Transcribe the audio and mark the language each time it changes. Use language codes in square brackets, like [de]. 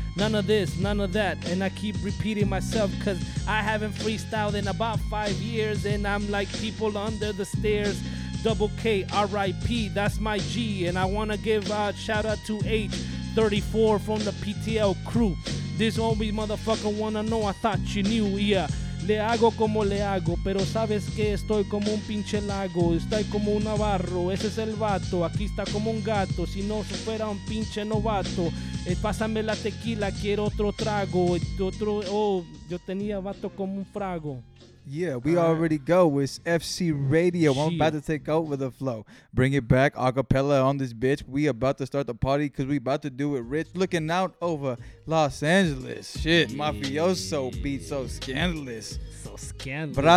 [en] None of this, none of that. And I keep repeating myself cause I haven't freestyled in about 5 years. And I'm like people under the stairs. Double K, R.I.P. That's my G. And I wanna give a shout out to H34 from the PTL crew. This homie motherfucker wanna know, I thought you knew, yeah. [es] Le hago como le hago, pero sabes que estoy como un pinche lago. Estoy como un navarro, ese es el vato. Aquí está como un gato, si no fuera un pinche novato. Pásame la tequila, quiero otro trago. Otro, oh, yo tenía vato como un frago. [en] Yeah, we all already right. Go. It's FC Radio. Jeez. I'm about to take over the flow. Bring it back, acapella on this bitch. We about to start the party because we about to do it rich. Looking out over Los Angeles. Shit, yeah. Mafioso beat so scandalous. So scandalous.